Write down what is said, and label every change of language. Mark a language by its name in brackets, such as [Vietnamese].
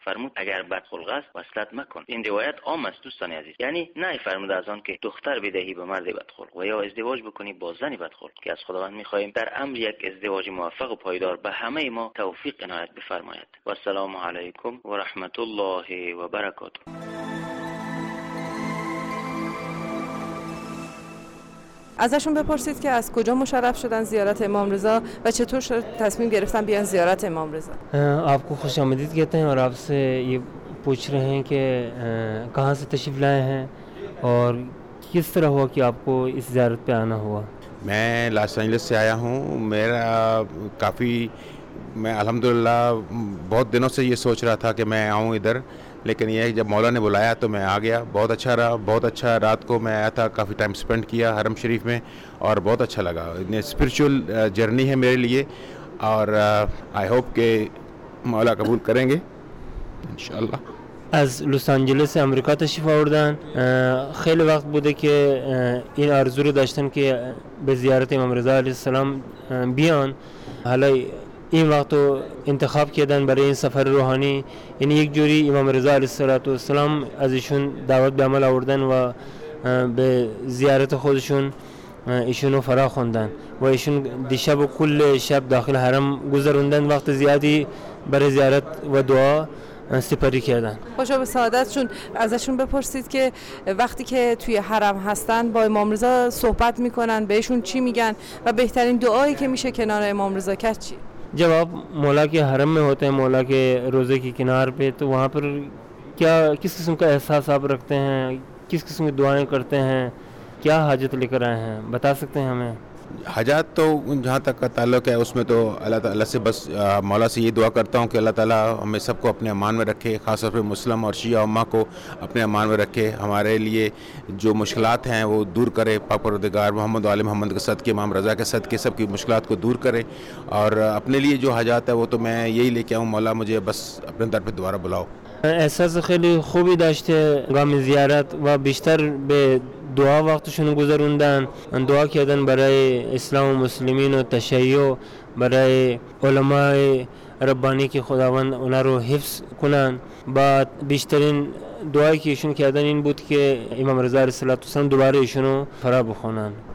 [Persian] فرمود اگر بدخلق است وصلت مکن. این روایت عام است دوستان عزیز، یعنی نه فرمود از آن که دختر بدهی به مرد بدخلق و یا ازدواج بکنی با زن بدخلق، که از خداوند میخواهیم در امر یک ازدواج موفق و پایدار به همه ما توفیق عنایت بفرماید. و السلام علیکم و رحمت الله و برکاته. ازشون بپرسید که از کجا مشرف شدن زیارت امام رضا و چطور شد تصمیم گرفتن بیان زیارت امام رضا. [Urdu] آپ کو خوش آمدید کہتے ہیں اور آپ سے یہ پوچھ رہے ہیں کہ کہاں سے تشریف لائے ہیں اور کس طرح ہوا کہ آپ کو اس زیارت پہ آنا ہوا. میں لاس اینجلس سے آیا ہوں. میرا کافی میں الحمدللہ بہت دنوں سے یہ سوچ رہا تھا کہ میں آؤں ادھر، لیکن یہ جب مولا نے بلایا تو میں آ گیا. بہت اچھا رہا, بہت اچھا رات کو میں آیا تھا, کافی ٹائم اسپینڈ کیا حرم شریف میں اور بہت اچھا لگا. [English] spiritual journey [Urdu] ہے میرے لیے اور [English] I hope [Urdu] کہ مولا قبول کریں گے انشاءاللہ. [Persian] از لس آنجلس سے امریکہ تشریف آوردن, خیلی وقت بوده که این آرزو رو داشتن که به زیارت امام رضا علیه السلام بیان, حالا این وقت رو انتخاب کردن برای این سفر روحانی. یعنی یک جوری امام رضا علیه السلام از ایشون دعوت به عمل آوردن و به زیارت خودشون ایشون رو فرا خوندن و ایشون دیشب و کل شب داخل حرم گذروندن, وقت زیادی برای زیارت و دعا سپری کردن. خوشا به سعادتشون. ازشون بپرسید که وقتی که توی حرم هستن با امام رضا صحبت میکنن, بهشون چی میگن و بهترین دعایی که میشه کنار امام رضا کرد چی؟ [Urdu] جواب, مولا کے حرم میں ہوتے ہیں, مولا کے روزے کی کنار پہ, تو وہاں پر کیا کس قسم کا احساس آپ رکھتے ہیں, کس قسم کی دعائیں کرتے ہیں, کیا حاجت لے کر آئے ہیں بتا سکتے ہیں ہمیں؟ حاجات تو جہاں تک کا تعلق ہے اس میں تو اللہ تعالیٰ سے بس مولا سے یہ دعا کرتا ہوں کہ اللہ تعالیٰ ہمیں سب کو اپنے امان میں رکھے, خاص طور پہ مسلم اور شیعہ امہ کو اپنے امان میں رکھے, ہمارے لیے جو مشکلات ہیں وہ دور کرے. پاک پروردگار محمد علی محمد کے صدقے, امام رضا کے صدقے سب کی مشکلات کو دور کرے. اور اپنے لیے جو حاجات ہے وہ تو میں یہی لے کے آؤں, مولا مجھے بس اپنے در پہ دوبارہ بلاؤ. [Persian] احساس خیلی خوبی داشتے گامی زیارت و بیشتر بے دعا وقتشون گذروندن, دعا کردن برای اسلام و مسلمین و تشیع, برای علماء ربانی که خداوند اونا رو حفظ کنن. بعد بیشترین دعایی که ایشون کردن این بود که امام رضا علیه السلام دوباره ایشون رو فرا بخونن.